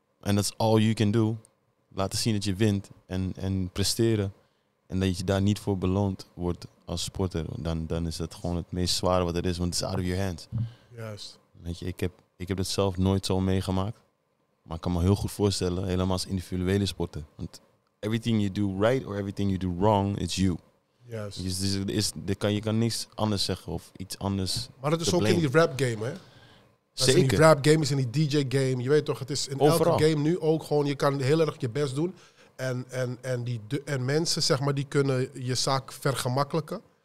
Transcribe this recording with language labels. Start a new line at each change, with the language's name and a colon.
Dutch: En dat is all you can do. Laten zien dat je wint en presteren. En dat je daar niet voor beloond wordt als sporter. Dan is dat gewoon het meest zware wat er is. Want het is out of your hands. Juist. Weet je, ik heb dat zelf nooit zo meegemaakt. Maar ik kan me heel goed voorstellen. Helemaal als individuele sporter.
English: Want everything you do right or everything you do wrong, it's you.
Dutch: Juist. Je kan niks anders zeggen of iets anders. Maar dat is ook in die rap game, hè? Zeker. In die rap game, is in die DJ game. Je weet toch, het is in overal. Elke game nu ook gewoon, je kan heel erg je best doen. En mensen, zeg maar, die kunnen je zaak vergemakkelijken.